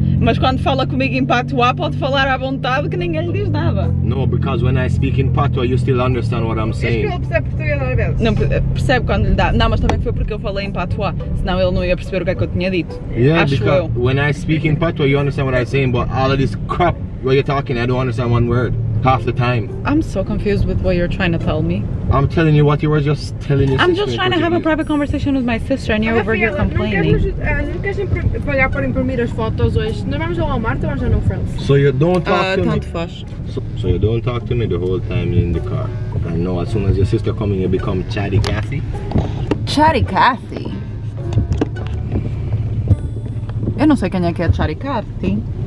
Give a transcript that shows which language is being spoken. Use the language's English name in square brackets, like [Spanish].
[Portuguese] Mas quando fala comigo em patuá, pode falar à vontade que ninguém lhe diz nada. [English] No, because when I speak in patuá, you still understand what I'm saying. [Portuguese] Acho que ele percebe português às vezes. Não, percebe quando lhe dá. Não, mas também foi porque eu falei em patuá. Senão ele não ia perceber o que é que eu tinha dito. [English] Yeah, [Portuguese] acho [English] because [Portuguese] eu. [English] When I speak in patuá, you understand what I'm saying, but all of this crap what you're talking, I don't understand one word. Half the time. I'm so confused with what you're trying to tell me. I'm telling you what you were just telling your I'm just trying to have a private conversation with my sister and you're over here complaining. [Portuguese] Não queres pagar para imprimir as fotos hoje? Nós vamos ao Walmart ou vamos ao No Friends? [English] So you don't talk to me? [Portuguese] Tanto faz. [English] So you don't talk to me the whole time you're in the car? I know as soon as your sister comes in you become Chatty Cathy. Chatty Cathy? [Portuguese] Eu não sei quem é que é Chatty Cathy.